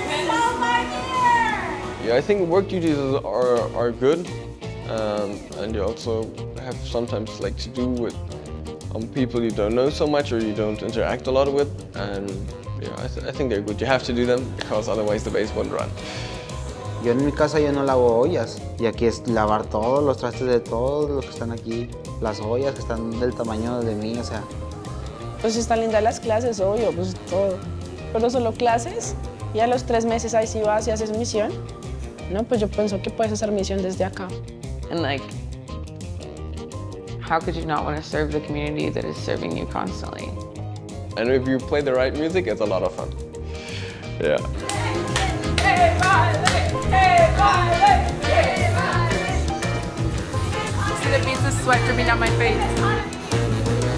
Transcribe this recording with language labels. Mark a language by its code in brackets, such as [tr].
[en] Yeah, I think work duties are good, and you also have sometimes like to do with people you don't know so much or you don't interact a lot with, and yeah, I think they're good. You have to do them because otherwise the base won't run. [es] Yo en mi casa yo no lavo ollas, y aquí es lavar todos los trastes de todos los que están aquí, las ollas que están del tamaño de mí, o sea. Pues están lindas las clases, obvio, pues todo, pero solo clases. Y a los tres meses ahí sí vas y haces misión. No, pues yo pienso que puedes hacer misión desde acá. [en] And like, how could you not want to serve the community that is serving you constantly? And if you play the right music, it's a lot of fun. Yeah. See the beads of sweat dripping down my face.